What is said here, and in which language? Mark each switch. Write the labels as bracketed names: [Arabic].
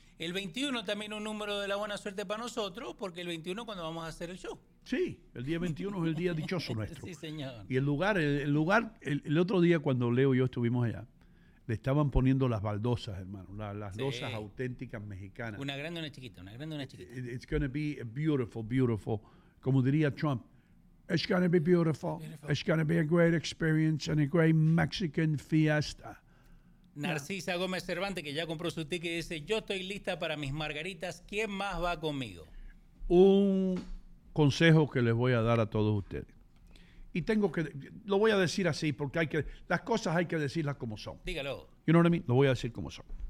[Spanish] El 21 también un número de la buena suerte para nosotros, porque el 21 cuando vamos a hacer el show. Sí, el día 21 es el día dichoso nuestro. Sí, señor. Y el otro día cuando Leo y yo estuvimos allá, le estaban poniendo las baldosas, hermano, las losas auténticas mexicanas. Una grande, una chiquita, una grande, una chiquita. [English] It's going to be beautiful, beautiful. [Spanish] Como diría Trump, [English] it's going to be beautiful. Beautiful. It's going to be a great experience and a great Mexican fiesta. Narcisa yeah. [Spanish] Gómez Cervantes, que ya compró su ticket, dice, yo estoy lista para mis margaritas. ¿Quién más va conmigo? Un consejo que les voy a dar a todos ustedes. Y lo voy a decir así, porque las cosas hay que decirlas como son. Dígalo. [English] You know what I mean? [Spanish] Lo voy a decir como son.